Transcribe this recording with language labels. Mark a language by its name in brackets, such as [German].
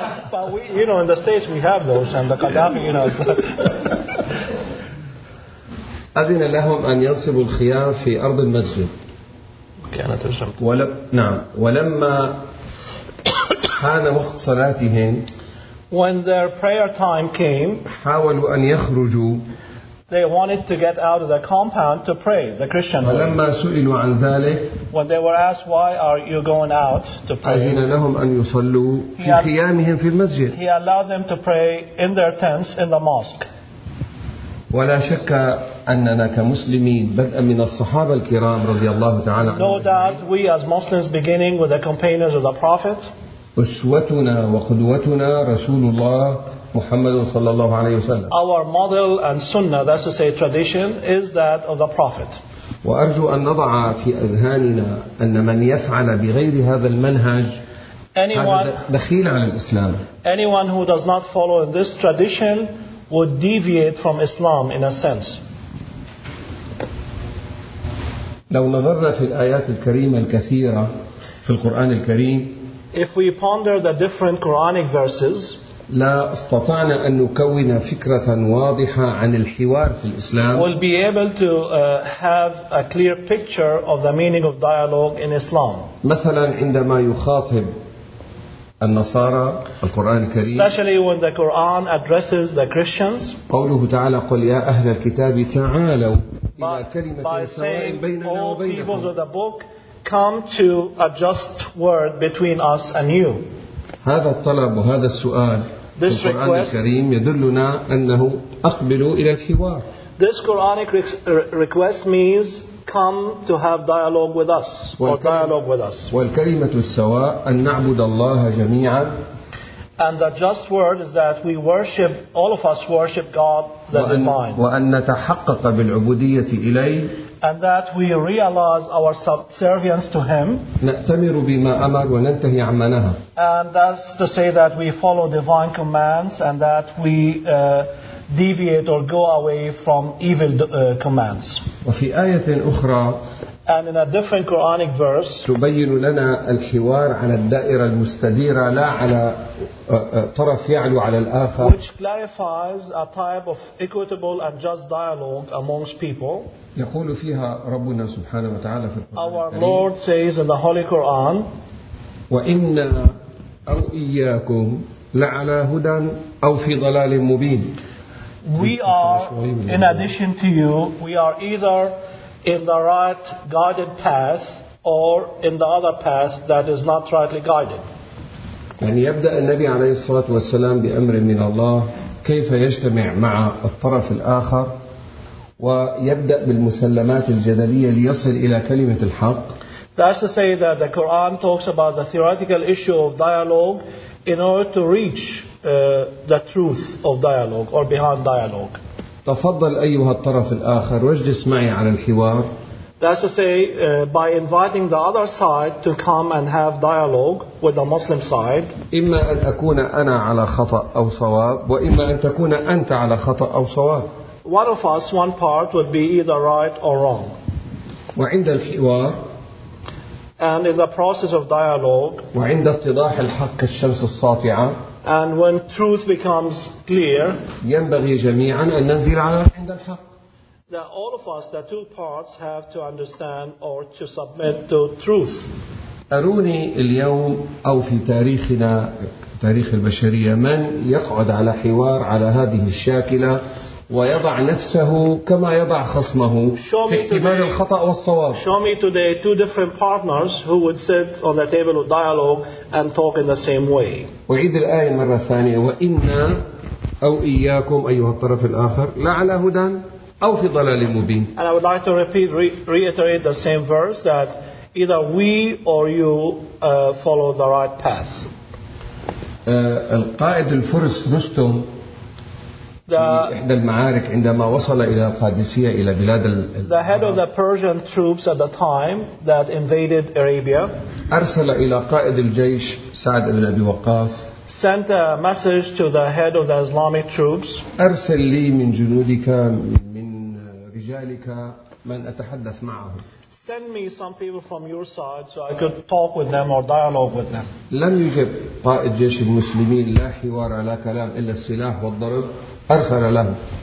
[English] But we, you know, in the States we have those, and the Gaddafi, you know. [Arabic] أذن لهم أن ينصبوا الخيام في أرض المسجد. كانت الشمس. ولما حان وقت صلاتهم. [English] When their prayer time came. [Arabic] حاولوا أن يخرجوا. [English] They wanted to get out of the compound to pray, the Christian way. [Arabic] ولما سئلوا عن ذلك. [English] When they were asked, why are you going out to pray? [Arabic] أذن لهم أن يصلوا في خيامهم في المسجد. [English] He allowed them to pray in their tents in the mosque. [Arabic] ولا شك أننا كمسلمين بدءا من الصحابة الكرام رضي الله تعالى عنهم. [English] No doubt we as Muslims beginning with the companions of the Prophet. [Arabic] أسوتنا وقدوتنا رسول الله محمد صلى الله عليه وسلم. [English] Our model and sunnah, that's to say tradition, is that of the Prophet. [Arabic] وأرجو أن نضع في أذهاننا أن من يفعل بغير هذا المنهج دخيل على الإسلام. [English] Anyone who does not follow in this tradition would deviate from Islam in a sense. [Arabic] لو نظرنا في الآيات الكريمة الكثيرة في القرآن الكريم. [English] If we ponder the different Quranic verses. [Arabic] لا استطعنا أن نكون فكرة واضحة عن الحوار في الإسلام. [English] We'll be able to have a clear picture of the meaning of dialogue in Islam. [Arabic] مثلا عندما يخاطب النصارى القرآن الكريم. [English] Especially when the Quran addresses the Christians. [Arabic] قوله تعالى قل يا أهل الكتاب تعالوا. [English] By saying, all peoples of the book, come to a just word between us and you. [Arabic] هذا الطلب وهذا السؤال في القرآن الكريم يدلنا أنه أقبلوا إلى الحوار. [English] This Quranic request means come to have dialogue with us or dialogue with us. [Arabic] والكلمة السواء أن نعبد الله جميعا. [English] And the just word is that we worship, all of us worship God the Divine. [Arabic] وأن نتحقق بالعبودية إليه. [English] And that we realize our subservience to Him. [Arabic] نأتمر بما أمر وننتهي عما نهى. [English] And that's to say that we follow divine commands and that we deviate or go away from evil commands. [Arabic] وفي آية أخرى. [English] And in a different Quranic verse, [Arabic] تبين لنا الحوار على الدائرة المستديرة لا على طرف يعلو على الآخر. [English] Which clarifies a type of equitable and just dialogue amongst people. [Arabic] يقول فيها ربنا سبحانه وتعالى في القرآن. [English] Our Lord says in the Holy Quran, [Arabic] وإنا أو إياكم لعلى هدى أو في ضلال مبين. [English] We are, in addition to you, we are either in the right guided path or in the other path that is not rightly guided. [Arabic] يعني يبدأ النبي عليه الصلاة والسلام بأمر من الله كيف يجتمع مع الطرف الآخر ويبدأ بالمسلمات الجدلية ليصل إلى كلمة الحق. [English] That's to say that the Quran talks about the theoretical issue of dialogue in order to reach the truth of dialogue or behind dialogue. [Arabic] تفضل أيها الطرف الآخر واجلس معي على الحوار. [English] That's to say, by inviting the other side to come and have dialogue with the Muslim side. [Arabic] إما أن أكون أنا على خطأ أو صواب، وإما أن تكون أنت على خطأ أو صواب. [English] One of us, one part, would be either right or wrong. [Arabic] وعند الحوار. [English] And in the process of dialogue. [Arabic] وعند اتضاح الحق الشمس الساطعة. [English] And when truth becomes clear, [Arabic] ينبغي جميعا أن ننزل على عند الحق. [English] That all of us, the two parts, have to understand or to submit to truth. [Arabic] أروني اليوم أو في تاريخنا تاريخ البشرية من يقعد على حوار على هذه الشاكلة ويضع نفسه كما يضع خصمه في احتمال الخطأ والصواب. [English] Show me today two different partners who would sit on the table of dialogue and talk in the same way. [Arabic] أعيد الآية مرة ثانية وإنا أو إياكم أيها الطرف الآخر لا على هدى أو في ضلال مبين. [English] And I would like to repeat, reiterate the same verse that either we or you follow the right path. [Arabic] القائد الفرس رستم في إحدى المعارك عندما وصل إلى القادسية إلى بلاد [English] The head of the Persian troops at the time that invaded Arabia [Arabic] أرسل إلى قائد الجيش سعد بن أبي وقاص [English] sent a message to the head of the Islamic troops [Arabic] أرسل لي من جنودك من رجالك من أتحدث معه. [English] Send me some people from your side so I could talk with them or dialogue with them. [Arabic] لم يجب قائد جيش المسلمين لا حوار لا كلام إلا السلاح والضرب أرسل له.